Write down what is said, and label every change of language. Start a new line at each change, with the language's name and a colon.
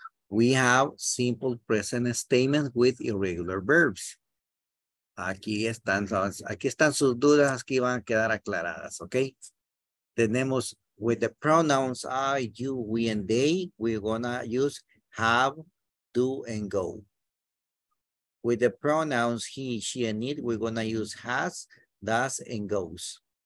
English: We have simple present statements with irregular verbs.
Spanish: Aquí están sus dudas que van a quedar aclaradas, okay? Tenemos
English: with the pronouns I, you, we, and they, we're gonna use have, do, and go. With the pronouns he, she, and it, we're gonna use has, does, and goes.